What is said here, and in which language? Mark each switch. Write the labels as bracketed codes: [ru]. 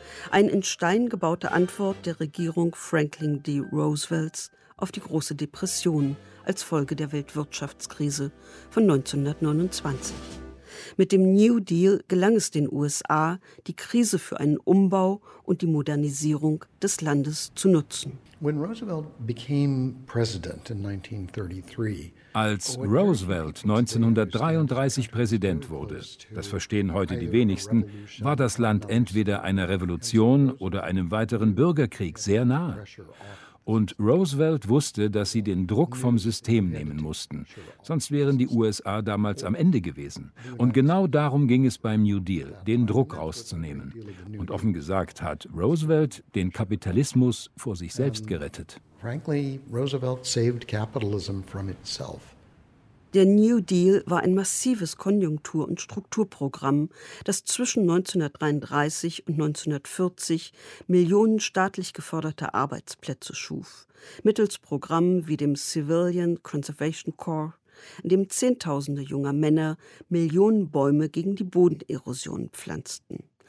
[de] Ein in Stein gebaute Antwort der Regierung Franklin D. Roosevelts auf die Große Depression als Folge der Weltwirtschaftskrise von 1929. Mit dem New Deal gelang es den USA, die Krise für einen Umbau und die Modernisierung des Landes zu nutzen. [en] When Roosevelt became president in 1933, [de] als Roosevelt 1933 Präsident wurde, das verstehen heute die wenigsten, war das Land entweder einer Revolution oder einem weiteren Bürgerkrieg sehr nahe. Und Roosevelt wusste, dass sie den Druck vom System nehmen mussten. Sonst wären die USA damals am Ende gewesen. Und genau darum ging es beim New Deal, den Druck rauszunehmen. Und offen gesagt hat Roosevelt den Kapitalismus vor sich selbst gerettet. [en] Frankly, Roosevelt saved capitalism from itself. [de] Der New Deal war ein massives Konjunktur- und Strukturprogramm, das zwischen 1933 und 1940 Millionen staatlich geförderter Arbeitsplätze schuf. Mittels Programmen wie dem Civilian Conservation Corps, in dem Zehntausende junger Männer Millionen Bäume gegen die Bodenerosion pflanzten.